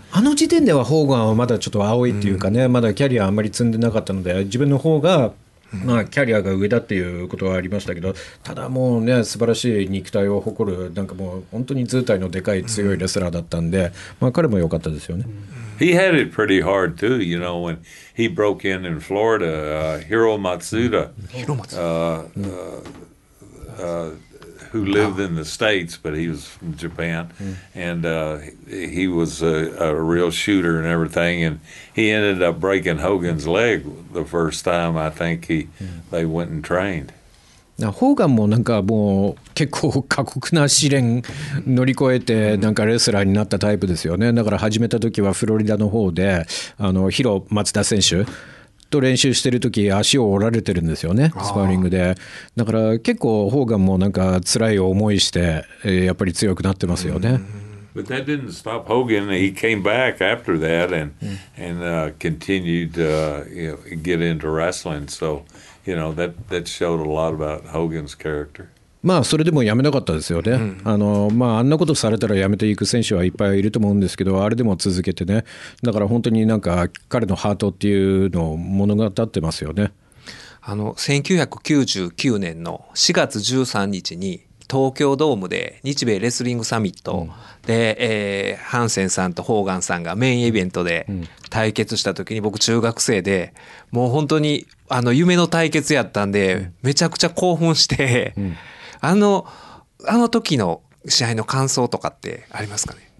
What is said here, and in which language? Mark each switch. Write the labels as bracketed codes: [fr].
[ja] あの時点ではホーガンはまだちょっと青いっていうかね、まだキャリアあんまり積んでなかったので自分の方がまあ、キャリアが上だっていうことはありましたけどただもうね素晴らしい肉体を誇るなんかもう本当に図体のでかい強いレスラーだったんで、まあ、彼も良かったですよね [en] He had it pretty hard too you know when he broke in Florida Hiro Matsuda who lived in the States but he was from Japan and he was a real shooter and everything and he ended up breaking Hogan's leg the first time I think they went and trained [ja] ホーガンもなんかもう結構過酷な試練乗り越えてなんかレスラーになったタイプですよねだから始めた時はフロリダの方であのヒロ松田選手と練習してる時足を折られてるんですよねスパーリングでだから結構ホーガンもなんか辛い思いしてやっぱり強くなってますよね [en] But that didn't stop Hogan he came back after that continued get into wrestling so you know that showed a lot about Hogan's character [ja] まあ、それでもやめなかったですよね、うん、まあ、あんなことされたらやめていく選手はいっぱいいると思うんですけど、あれでも続けてね、だから本当になんか彼のハートっていうのを物語ってますよね。 1999年の4月13日に東京ドームで日米レスリングサミットで、うん、ハンセンさんとホーガンさんがメインイベントで対決した時に僕中学生で、もう本当に夢の対決やったんでめちゃくちゃ興奮して、うん、あの時の試合の感想とかってありますかね。